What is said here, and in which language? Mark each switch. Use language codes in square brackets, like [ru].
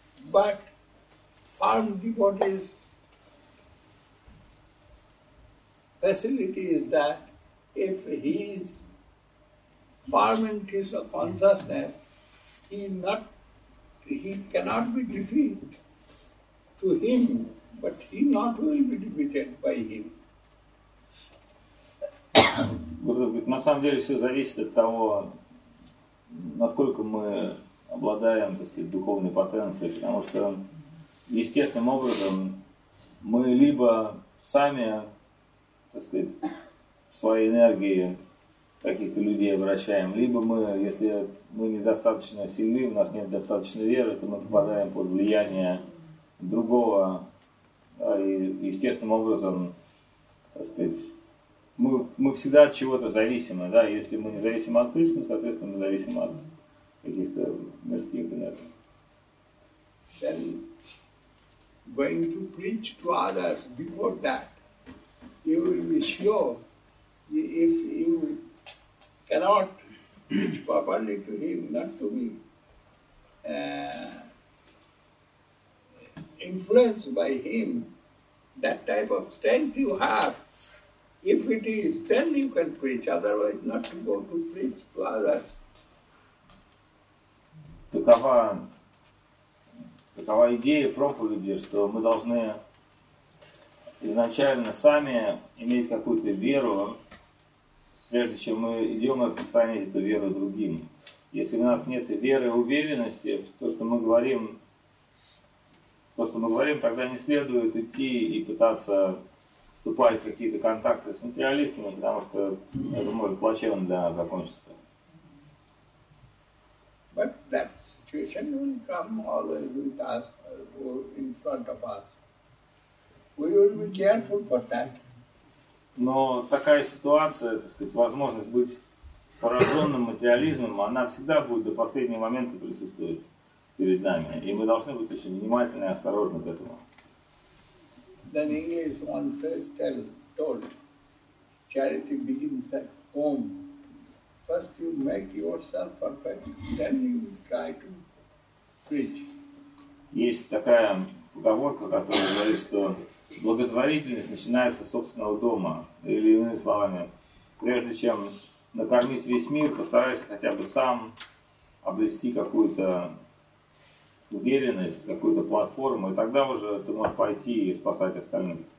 [en] But firm devotees' facility is that if he is firm in Krishna consciousness, he cannot be defeated to him, but he not will be defeated by him. [ru] Гуру говорит, на самом деле все зависит от того, насколько мы обладаем, так сказать, духовной потенцией, потому что естественным образом мы либо сами, так сказать, своей энергией каких-то людей обращаем, либо мы, если мы недостаточно сильны, у нас нет достаточной веры, то мы попадаем под влияние другого, да, и естественным образом, так сказать, мы всегда от чего-то зависимы, да, если мы не зависим от Кришны, соответственно, мы зависим от каких-то мирских энергий. [en] Then, going to preach to others before that, you will be sure, if you cannot preach properly to him, not to me, influenced by him, that type of strength you have, if it is, then you can preach, otherwise not to go to preach to others. [ru] Такова идея проповеди, что мы должны изначально сами иметь какую-то веру, прежде чем мы идем распространять эту веру другим. Если у нас нет веры и уверенности в то, что мы говорим, тогда не следует идти и пытаться вступать в какие-то контакты с материалистами, потому что это может плачевно для нас закончиться. [en] But that situation will come always with us or in front of us. We will be careful for that. [ru] Но такая ситуация, так сказать, возможность быть пораженным материализмом, она всегда будет до последнего момента присутствовать перед нами. И мы должны быть очень внимательны и осторожны к этому. [en] Then English one first told, charity begins at home. First you make yourself perfect, then you try to preach. [ru] Есть такая поговорка, которая говорит, что благотворительность начинается с собственного дома. Или иными словами, прежде чем накормить весь мир, постараюсь хотя бы сам обрести какую-то уверенность, какую-то платформу, и тогда уже ты можешь пойти и спасать остальных.